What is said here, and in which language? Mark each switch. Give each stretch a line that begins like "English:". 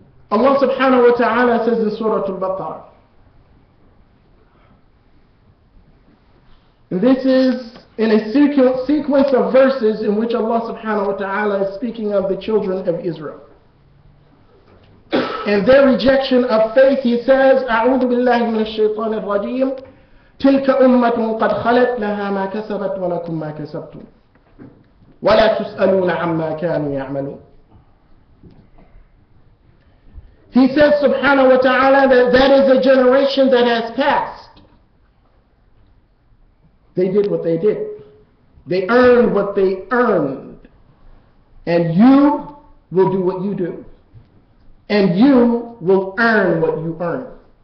English: Allah subhanahu wa ta'ala says in Surah Al-Baqarah, and this is in a sequence of verses in which Allah subhanahu wa ta'ala is speaking of the children of Israel. And their rejection of faith, he says,
Arabic: أعوذ بالله من الشيطان الرجيم تلك أمة قد خلت لها ما كسبت ولكم ما كسبتم ولا تسألون عما كانوا يعملون.
English: He says subhanahu wa ta'ala that is a generation that has passed. They did what they did. They earned what they earned. And you will do what you do. And you will earn what you earn.